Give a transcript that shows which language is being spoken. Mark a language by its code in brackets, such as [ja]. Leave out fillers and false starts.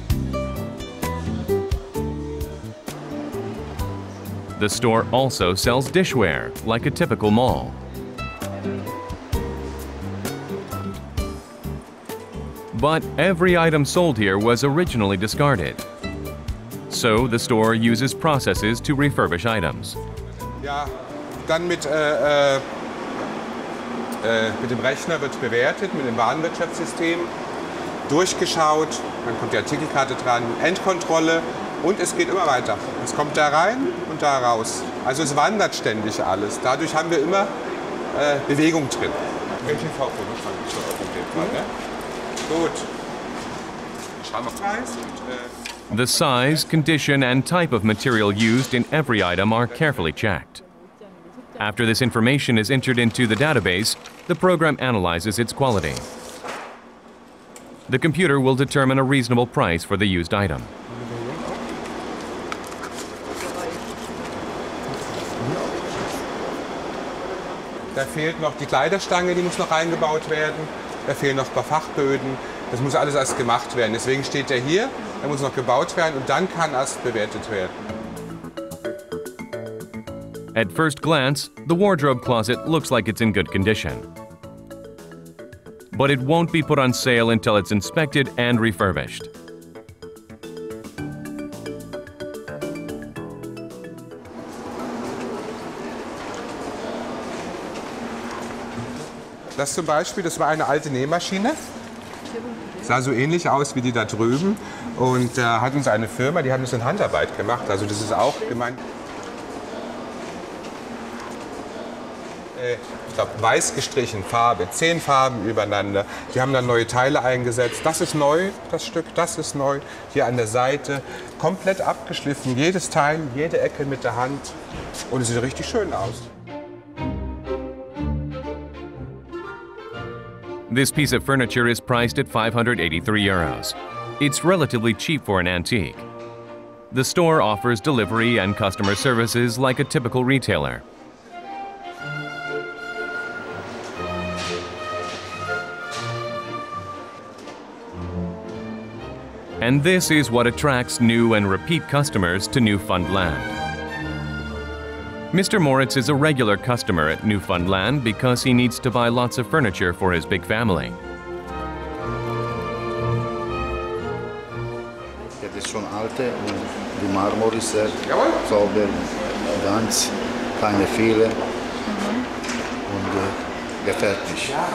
[en] The store also sells dishware, like a typical mall. But every item sold here was originally discarded. So the store uses processes to refurbish items. [de] Ja, dann mit dem Rechner wird bewertet, mit dem Warenwirtschaftssystem durchgeschaut, dann kommt die Artikelkarte dran, Endkontrolle und es geht immer weiter. Es kommt da rein und da raus. Also es wandert ständig alles. Dadurch haben wir immer Bewegung drin. Welche VV fangen wir schon auf dem Fall, ne? Gut. Schauen wir mal. [en] The size, condition and type of material used in every item are carefully checked. After this information is entered into the database, the program analyzes its quality. The computer will determine a reasonable price for the used item. [de] Da fehlt noch die Kleiderstange, die muss noch reingebaut werden. Da fehlen noch ein paar Fachböden. Das muss alles erst gemacht werden. Deswegen steht der hier. Er muss noch gebaut werden und dann kann erst bewertet werden. [en] At first glance, the wardrobe closet looks like it's in good condition. But it won't be put on sale until it's inspected and refurbished. [de] Das zum Beispiel, das war eine alte Nähmaschine. Sah so ähnlich aus wie die da drüben. Und da hat uns eine Firma, die hat uns in Handarbeit gemacht. Also das ist auch gemeint. Ich glaube, weiß gestrichen, Farbe, 10 Farben übereinander. Die haben dann neue Teile eingesetzt. Das ist neu, das Stück, das ist neu. Hier an der Seite, komplett abgeschliffen. Jedes Teil, jede Ecke mit der Hand. Und es sieht richtig schön aus. [en] This piece of furniture is priced at 583 €. It's relatively cheap for an antique. The store offers delivery and customer services like a typical retailer. And this is what attracts new and repeat customers to Newfoundland. Mr. Moritz is a regular customer at Newfoundland because he needs to buy lots of furniture for his big family. [de] Das ist schon alte und die Marmor ist sehr sauber, ganz keine Fehler und gefällt mich.